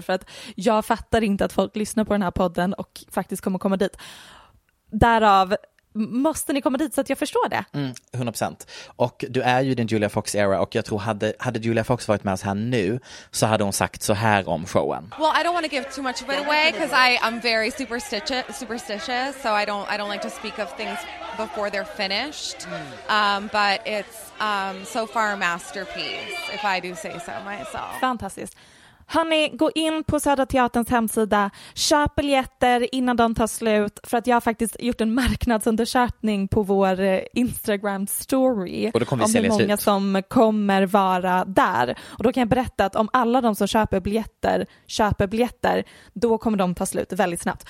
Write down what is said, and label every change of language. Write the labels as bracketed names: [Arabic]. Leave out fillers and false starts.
[Swedish] För att jag fattar inte att folk lyssnar på den här podden och faktiskt kommer komma dit. Därav... Måste ni komma dit så att jag förstår det? Mm, 100%. Och du är ju din Julia Fox era. Och jag tror hade Julia Fox varit med oss här nu så hade hon sagt så här om showen. [English] Well, I don't want to give too much of it away because I'm very superstitious. So I don't like to speak of things before they're finished. But it's so far a masterpiece, if I do say so myself. [Swedish] Fantastiskt. Hörrni, gå in på Södra Teaterns hemsida, köp biljetter innan de tar slut, för att jag har faktiskt gjort en marknadsundersökning på vår Instagram story om hur många som kommer vara där. Och då kan jag berätta att om alla de som köper biljetter, då kommer de ta slut väldigt snabbt.